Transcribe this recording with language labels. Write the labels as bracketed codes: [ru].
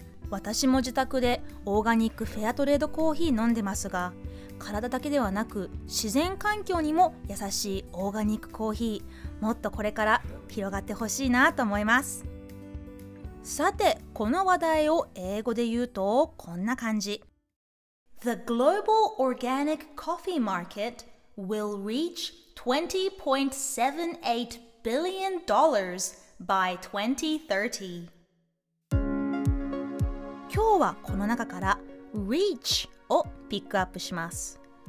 [ja] 私も自宅でオーガニックフェアトレードコーヒー飲んでますが、体だけではなく自然環境にも優しいオーガニックコーヒー、もっとこれから広がってほしいなと思います。さて、この話題を英語で言うとこんな感じ。 [en] The global organic coffee market will reach $20.78 billion by 2030。 [ja] 今日はこの中から reach をピックアップします。